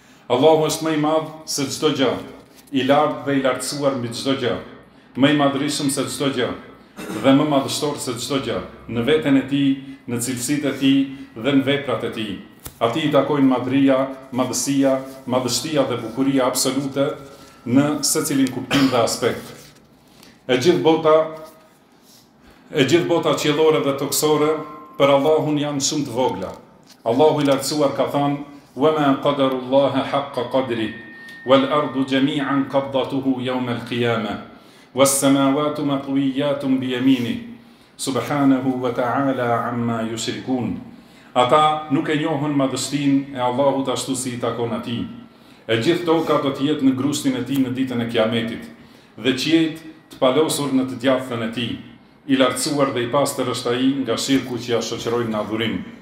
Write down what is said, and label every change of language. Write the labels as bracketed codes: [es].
[sq] Allahu është më i madh se çdo gjë, i lartë dhe i lartësuar mbi çdo gjë, më i madhrishëm se çdo gjë dhe më madhështor se çdo gjë, në veten e tij, në cilësitë e tij dhe në veprat e tij. Atij i takojnë madhria, madhësia, madhështia dhe bukuria absolute në secilin kuptim dhe aspekt. E gjithë bota qiellore dhe tokësore për Allahun janë shumë të vogla. Allahu i lartësuar ka thënë: [ar] وَمَا قَدَرُ اللَّهَ حَقَّ قَدْرِ وَالْأَرْضُ جَمِيعًا قَبْضَتُهُ يَوْمَ الْقِيَامَةِ وَالسَّمَاوَاتُ مَطْوِيَّاتٌ بِيَمِينِهِ سُبْحَانَهُ وَتَعَالَى عَمَّا يُشْرِكُونَ. [sq] Ata nuk e njohën madhështin e Allahut ashtu si i takon ati. E gjithë toka do të jetë në grushtin e ti në ditën e kiametit, dhe qiejt të palosur në të djathën e ti, i lartësuar dhe i pastër është ai nga shirku që ja shoqërojnë në adhurim.